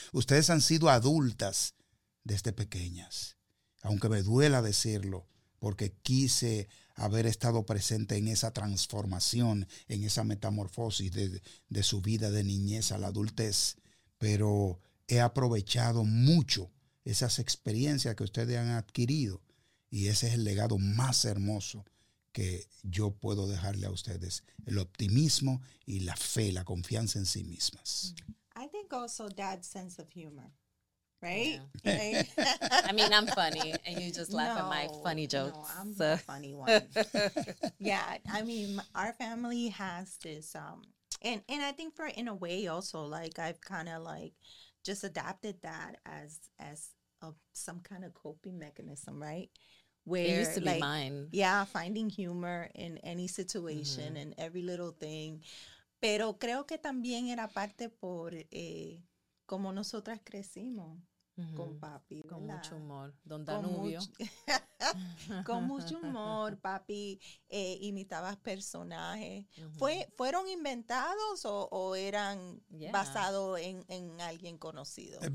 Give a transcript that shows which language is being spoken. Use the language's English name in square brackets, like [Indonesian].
[Spanish] Ustedes han sido adultas desde pequeñas, aunque me duela decirlo, porque quise haber estado presente en esa transformación, en esa metamorfosis de su vida de niñez a la adultez, pero he aprovechado mucho esas experiencias que ustedes han adquirido, y ese es el legado más hermoso que yo puedo dejarle a ustedes, el optimismo y la fe, la confianza en sí mismas. [English] I think also dad's sense of humor, right? Yeah. I mean, I'm funny, and you just laugh at my funny jokes. No, I'm the funny one. Yeah, I mean, our family has this, and I think for, in a way also, like, I've kind of like just adapted that as a, some kind of coping mechanism, right? Where, it used to be like, mine. Yeah, finding humor in any situation and every little thing. [Spanish] Pero creo que también era parte por como nosotras crecimos con papi. ¿Verdad? Con mucho humor. Don Danubio. Con mucho humor, papi. Imitaba personajes. ¿Fueron inventados o eran basados en alguien conocido?